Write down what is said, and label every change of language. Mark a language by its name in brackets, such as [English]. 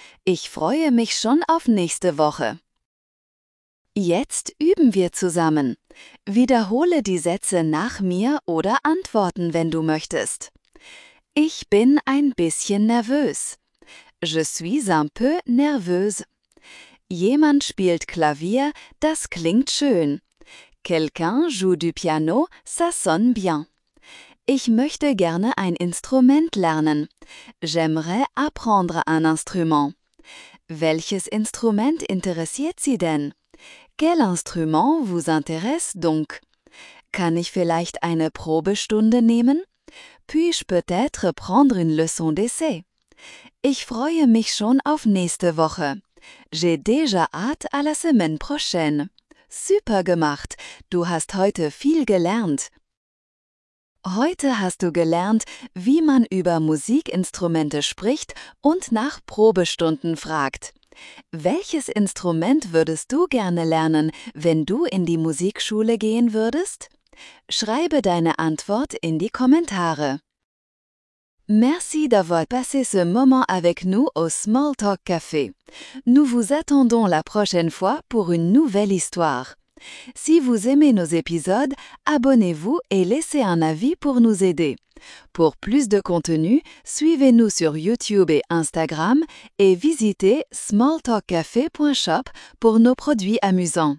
[German] Ich freue mich schon auf nächste Woche. Jetzt üben wir zusammen. Wiederhole die Sätze nach mir oder Antworten, wenn du möchtest. Ich bin ein bisschen nervös. [French] Je suis un peu nerveuse. [German] Jemand spielt Klavier, das klingt schön. [French] Quelqu'un joue du piano, ça sonne bien. [German] Ich möchte gerne ein Instrument lernen. [French] J'aimerais apprendre un instrument. [German] Welches Instrument interessiert Sie denn? [French] Quel instrument vous intéresse donc? [German] Kann ich vielleicht eine Probestunde nehmen? [French] Puis-je peut-être prendre une leçon d'essai? [German] Ich freue mich schon auf nächste Woche. [French] J'ai déjà hâte à la semaine prochaine. [German] Super gemacht! Du hast heute viel gelernt. Heute hast du gelernt, wie man über Musikinstrumente spricht und nach Probestunden fragt. Welches Instrument würdest du gerne lernen, wenn du in die Musikschule gehen würdest? Schreibe deine Antwort in die Kommentare. [French] Merci d'avoir passé ce moment avec nous au Small Talk Café. Nous vous attendons la prochaine fois pour une nouvelle histoire. Si vous aimez nos épisodes, abonnez-vous et laissez un avis pour nous aider. Pour plus de contenu, suivez-nous sur YouTube et Instagram et visitez smalltalkcafe.shop pour nos produits amusants.